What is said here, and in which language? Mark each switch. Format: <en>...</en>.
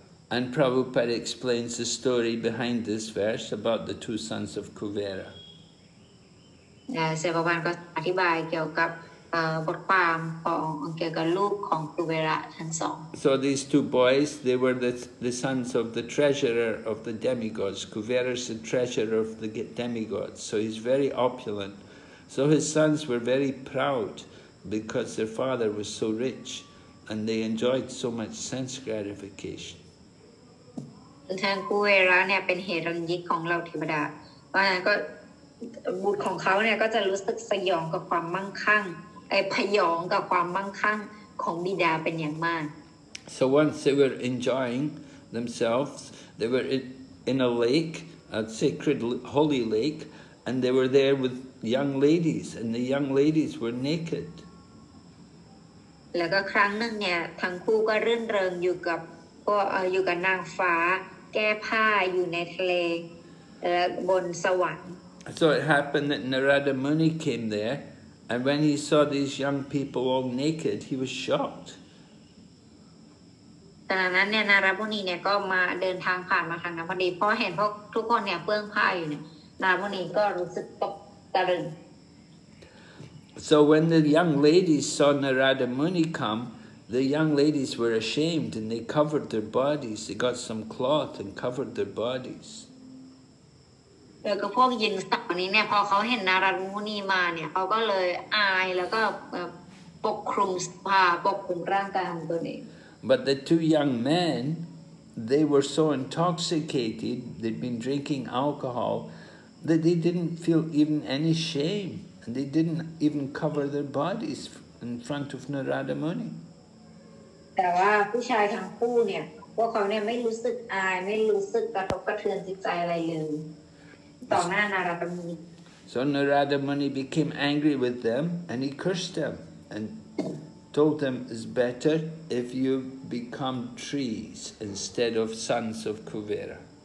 <en>And Prabhupada explains the story behind this verse about the two sons of Kuvera.</en> <th>เสวบาลก็อธิบายเกี่ยวกับบทความของเกี่ยวกับลูกของกุเวระทั้งสอง</th> <en>So these two boys, they were the sons of the treasurer of the demigods. Kuvera is the treasurer of the demigods, so he's very opulent. So his sons were very proud because their father was so rich, and they enjoyed so much sense gratification.</en> <th>ทางกุเวระเนี่ยเป็นเหรัญญิกของเหล่าเทวดาเพราะฉะนั้นก็บุตรของเขาเนี่ยก็จะรู้สึกสยองกับความมั่งคั่งไอ้พยองกับความมั่งคั่งของบิดาเป็นอย่างมาก</th> <en>So once they were enjoying themselves, they were in a lake, a sacred holy lake, and they were there with young ladies, and the young ladies were naked.</en> <th>แล้วก็ครั้งหนึ่งเนี่ยทั้งคู่ก็รื่นเริงอยู่กับนางฟ้าแก้ผ้าอยู่ในทะเลและบนสวรรค์</th> <en>So it happened that Narada Muni came thereAnd when he saw these young people all naked, he was shocked.</en> <th>ตอนนั้นเนี่ยนารามุนีเนี่ยก็มาเดินทางผ่านมาทางนั้นพอดีพอเห็นพวกทุกคนเนี่ยเปลื้องผ้าอยู่เนี่ยนารามุนีก็รู้สึกตกตะลึง</th> <en>So when the young ladies saw Narada Muni come, the young ladies were ashamed and they covered their bodies. They got some cloth and covered their bodies.</en> <th>แล้วก็พวกหญิงสาวนี้เนี่ยพอเขาเห็นนารามุนีมาเนี่ยเขาก็เลยอายแล้วก็ปกคลุมผ้าปกคลุมร่างกายของตัวเอง</th> <en>But the two young men, they were so intoxicated, they'd been drinking alcohol, that they didn't feel even any shame, and they didn't even cover their bodies in front of Narada Muni.</en> <th>แต่ว่าผู้ชายทั้งคู่เนี่ยพวกเขาเนี่ยไม่รู้สึกอายไม่รู้สึกกระทบกระเทือนจิตใจอะไรเลย ต่อหน้านารดมุนี</th> <en>So Narada Muni became angry with them and he cursed them and told them it's better if you become trees instead of sons of Kuvera.</en>